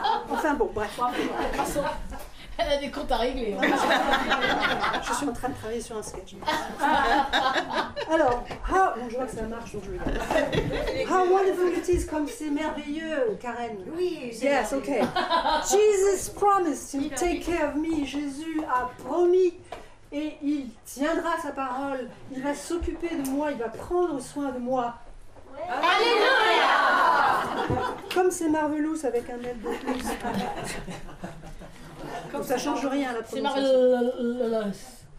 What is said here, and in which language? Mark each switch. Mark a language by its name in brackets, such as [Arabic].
[French] Enfin bon, bref. Elle a des comptes à régler. Je suis en train de travailler sur un sketch. Alors, bon, je vois que ça marche, donc je vais. [English] How wonderful it is, comme c'est merveilleux, Karen. [French] Oui, [English] yes, ok. Jesus promised to take care of me. [French] Jésus a promis et il tiendra sa parole. Il va s'occuper de moi, il va prendre soin de moi. Alléluia! Comme c'est Marvelous avec un L de plus. Comme ça change rien à la prononciation. C'est